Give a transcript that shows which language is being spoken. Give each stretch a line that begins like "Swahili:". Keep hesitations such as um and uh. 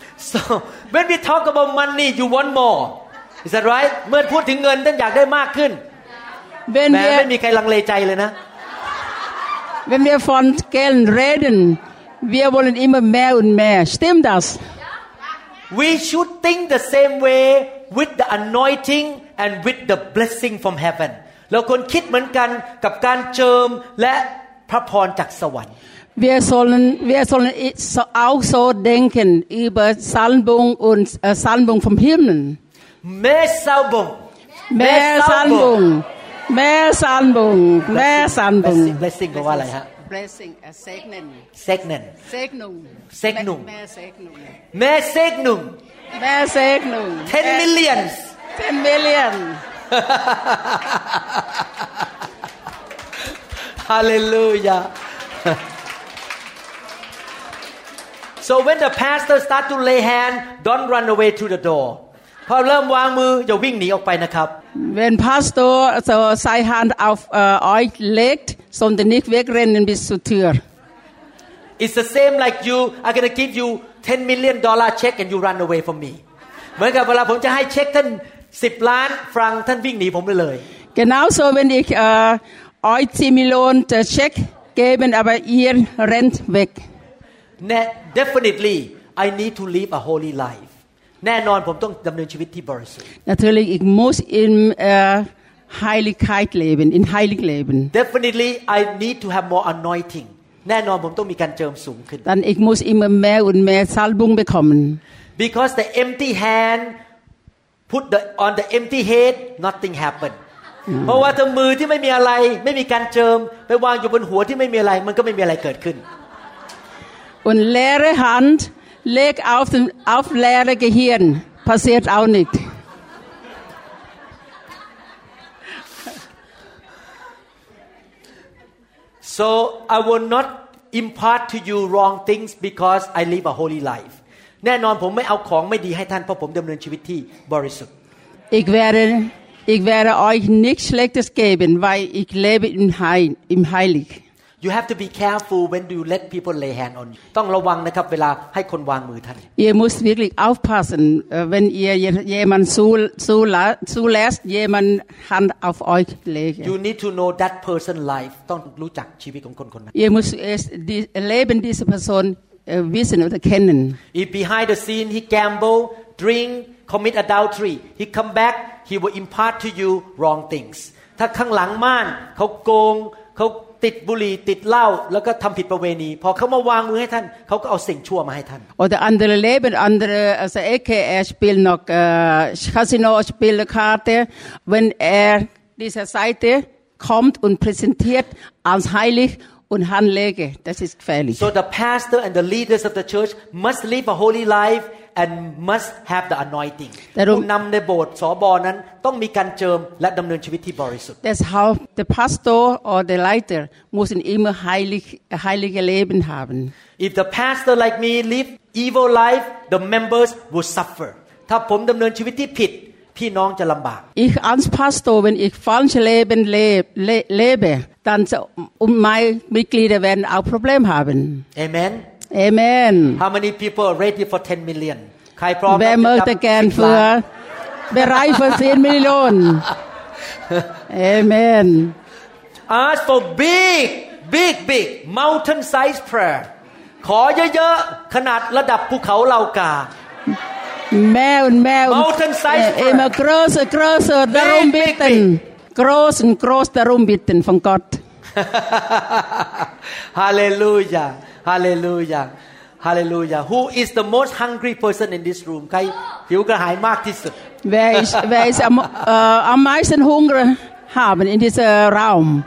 English: So when we talk about money, you want more. Is that right?
Thai: เมื่อพูดถึงเงินท่านอยากได้มากขึ้น
German: Wenn
Thai: แหม้ไม่
German: wir
Thai: มีใครลังเลใจเลยนะ
German: Wenn wir von Geld reden, wir wollen immer mehr und mehr. Stimmt das?
English: We should think the same way with the anointing and with the blessing from heaven.
Thai: เราควรคิดเหมือนกันกับการเจิมและพระพรจากสวรรค์
German: Wir sollen, wir sollen i- so- auch so denken über Salbung und äh, Salbung vom Himmel. เมซาบง Mehr Salbung, mehr Salbung, mehr Salbung.
Thai: blessing แปลว่าอะไรฮะ
German: Blessing, äh, segnen, เซกเนน Segnung. Segnung. Mehr Segnung. เมเซกนุง Mehr Segnung.
English: 10 millions
German: 10 Millionen.
English: ฮาเลลูยา so when the pastor start to lay hand don't run away to the door
Thai: พอเริ่มวางมืออย่าวิ่งหนีออกไปนะครับ
German: Wenn Pastor so seine Hand auf äh, euch legt, sondern nicht wegrennen bis zur Tür.
English: it's the same like you I'm gonna give you 10 million dollar check and you run away from me
Thai: เหมือนกับเวลาผมจะให้เช็คท่าน 10 ล้านฟรังท่านวิ่งหนีผมไปเลย
German: Genauso, wenn ich äh, euch 10 Millionen äh, Scheck geben, aber ihr rennt weg.
English: Ne- definitely I need to live a holy life
Thai: แน่นอนผมต้องดำเนินชีวิตที่บริสุทธิ์
German: Natürlich, ich muss in äh, Heiligkeit leben, in Heilig leben.
English: definitely I need to have more anointing
Thai: แน่นอนผมต้องมีการเจิมสูงขึ้น
German: Dann ich muss immer mehr und mehr Salbung bekommen.
English: because the empty hand put the on the empty head nothing happen
Thai: เพราะว่าถ้ามือที่ไม่มีอะไรไม่มีการเจิม ไปวางอยู่บนหัวที่ไม่มีอะไร มันก็ไม่มีอะไรเกิดขึ้น
German: Und leere Hand leg auf, den, auf leere Gehirn. Passiert auch nicht.
English: So I will not impart to you wrong things because I live a holy life
Thai: แน่นอนผมไม่เอาของไม่ดีให้ท่านเพราะผมดำเนินชีวิตที่บริสุทธิ์
German: Ich werde, ich werde euch nichts Schlechtes geben, weil ich lebe im, Heil, im Heilig.
English: You have to be careful when you let people lay hand on you
Thai: ต้องระวังนะครับเวลาให้คนวางมือท่าน
German: Ihr müsst wirklich aufpassen, äh, wenn ihr je- jemand zu, zu, la- zulässt, jemand Hand auf euch
English: You
German: legen.
English: need to know that person life
Thai: ต้องรู้จักชีวิตของคนคนนั้น
German: Ihr müsst erst die Leben dieser Person äh, wissen oder kennen.
English: If behind the scene he gamble drink commit adultery he come back he will impart to you wrong things
Thai: ถ้าข้างหลังม่านเขาโกงเขาติดบุหรี่ติดเหล้าแล้วก็ทำผิดประเวณี พอเขามาวางมือให้ท่านเขาก็เอาสิ่งชั่วมาให้ท่าน
German: Oder andere leben, andere aus der Ecke, er spielt noch äh, Casino, spielt eine Karte. Wenn er dieser Seite kommt und präsentiert als heilig und handlege, das ist gefährlich.
English: So the pastor and the leaders of the church must live a holy life and must have the anointing.
Thai: แต่รู้ ผู้นำในโบสถ์สบนั้นต้องมีการเจิมและดำเนินชีวิตที่บริสุทธิ์
German: Deshalb, der Pastor oder der Leiter müssen immer heilig, heilige Leben haben.
English: If the pastor like me live evil life, the members will suffer.
Thai: ถ้าผมดำเนินชีวิตที่ผิด พี่น้องจะลำบาก
German: Ich als Pastor, wenn ich falsche Leben le le lebe, dann so, und meine Mitglieder werden auch Probleme haben. Amen. Amen.
English: How many people are ready for 10 million?
Thai: ใครพร้อมที่
German: Wer
Thai: จะรับ
German: möchte gern
Thai: 10ล้าน
German: für bereit für 10 Millionen? Amen.
English: Ask for big big big mountain size prayer
Thai: ขอเยอะๆขนาดระดับภูเขาเหล่ากา
German: Mehr und mehr und
English: Mountain size
German: äh, immer größer, größer, darum
English: big,
German: bitten. Groß und groß darum bitten von Gott.
English: ฮาเลลูยา ฮาเลลูยา ฮาเลลูยา Who is the most hungry person in this room
Thai: ใครหิวกระหายมากที่สุด
German: Wer ist, wer ist am, äh, am meisten Hunger haben in diesem Raum?